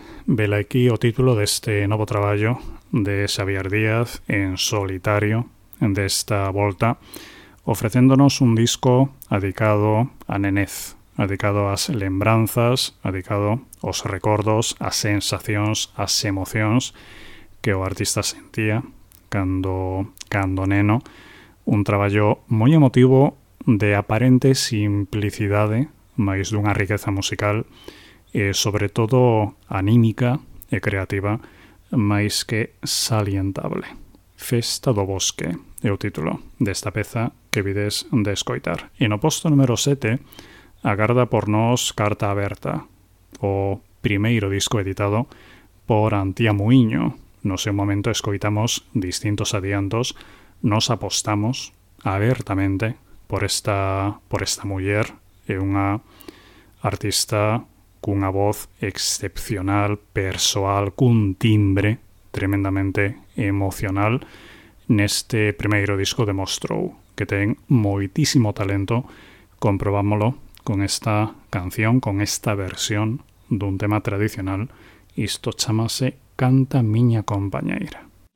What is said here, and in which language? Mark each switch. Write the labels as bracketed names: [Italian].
[Spanish] Vela aquí o título de este nuevo trabajo de Xavier Díaz en solitario de esta volta, ofreciéndonos un disco dedicado a nenez, dedicado a las lembranzas, dedicado a los recuerdos, a sensaciones, a las emociones que el artista sentía cuando neno. Un trabajo muy emotivo, de aparente simplicidad, más de una riqueza musical. [Galician] Sobre todo anímica e creativa, máis que salientable. Festa do Bosque é o título desta peza que vides de escoitar. E no posto número 7 agarda por nós Carta Aberta, o primeiro disco editado por Antía Muíño. No seu momento escoitamos distintos adiantos, nos apostamos abertamente por esta muller, e unha artista cunha voz excepcional, persoal, cun timbre tremendamente emocional. Neste primeiro disco demostrou que ten moitísimo talento. Comprobámolo con esta canción, con esta versión dun tema tradicional. Isto chamase Canta miña compañeira.